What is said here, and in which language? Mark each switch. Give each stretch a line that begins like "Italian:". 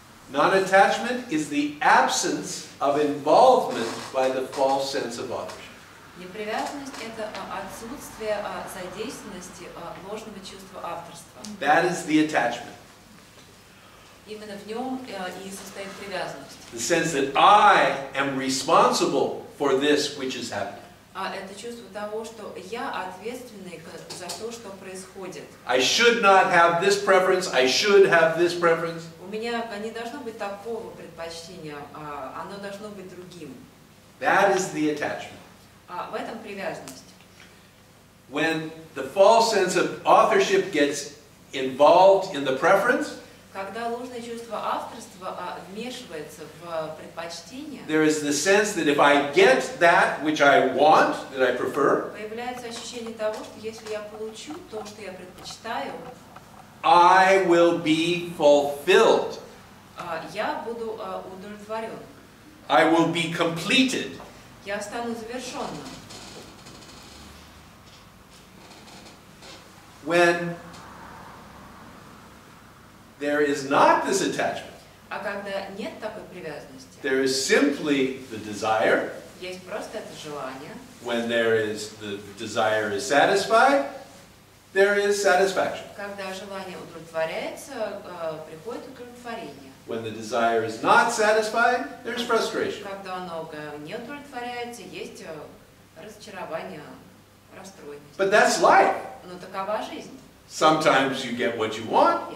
English: Non-attachment is the absence of involvement by the false sense of authorship.
Russian: Непривязанность — это отсутствие задействованности ложного чувства авторства.
English: That is the attachment.
Russian: Именно в нем и состоит привязанность.
English: The sense that I am responsible for this which is happening.
Russian: Это чувство того, что я ответственный за то, что происходит.
English: I should not have this preference. I should have this preference.
Russian: У меня не должно быть такого предпочтения, оно должно быть другим.
English: That is the attachment.
Russian: В этом привязанность.
English: When the false sense of authorship gets involved in the preference,
Russian: когда ложное чувство авторства вмешивается в предпочтение,
English: there is the sense that if I get that which I want, that I prefer,
Russian: появляется ощущение того, что если я получу то, что я предпочитаю,
English: I will be fulfilled.
Russian: Я буду удовлетворен.
English: I will be completed.
Russian: Я стану завершенным.
English: When there is not this attachment,
Russian: а когда нет такой привязанности,
English: there is simply the desire.
Russian: Есть просто это желание.
English: When there is the desire is satisfied, there is satisfaction.
Russian: Когда желание удовлетворяется, приходит удовлетворение.
English: When the desire is not satisfied, there is frustration.
Russian: Когда оно не удовлетворяется, есть разочарование, расстройность.
English: But that's life.
Russian: Но такова жизнь.
English: Sometimes you get what you want.